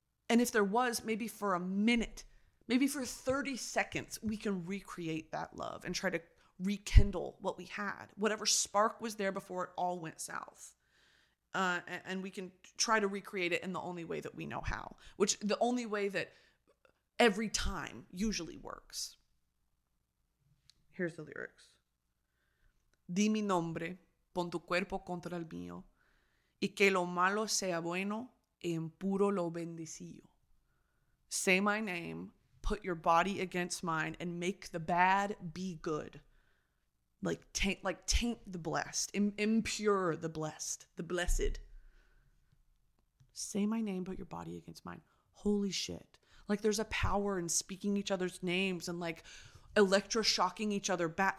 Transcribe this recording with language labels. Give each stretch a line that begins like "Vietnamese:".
English: And if there was, maybe for a minute, maybe for 30 seconds, we can recreate that love and try to rekindle what we had. Whatever spark was there before it all went south. And we can try to recreate it in the only way that we know how. Which, the only way that every time usually works. Here's the lyrics.
Spanish: Di mi nombre, pon tu cuerpo contra el mío, y que lo malo sea bueno, y en puro lo bendecillo.
English: Say my name, put your body against mine, and make the bad be good. Like taint the blessed, impure the blessed, the blessed. Say my name, put your body against mine. Holy shit. Like, there's a power in speaking each other's names and like electroshocking each other back.